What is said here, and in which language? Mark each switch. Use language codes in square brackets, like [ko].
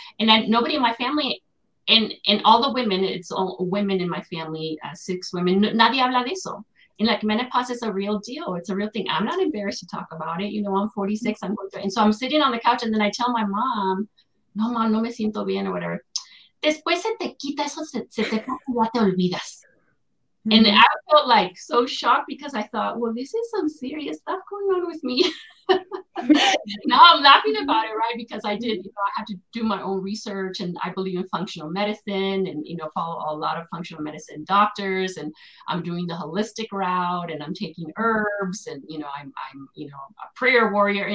[en] And then nobody in my family, and all the women, it's all women in my family, six women, [es] nadie habla de eso. [en] And like, menopause is a real deal. It's a real thing. I'm not embarrassed to talk about it. You know, I'm 46. I'm going through, and so I'm sitting on the couch, and then I tell my mom, "No, mom, [es] no me siento bien," [en] or whatever. [es] Después se te quita eso, se te pasa y ya te olvidas. Mm-hmm. [en] And I felt like so shocked because I thought, well, this is some serious stuff going on with me. Now I'm laughing about it, right? Because I did, you know, I had to do my own research, and I believe in functional medicine and, you know, follow a lot of functional medicine doctors, and I'm doing the holistic route, and I'm taking herbs, and, you know, I'm you know, a prayer warrior.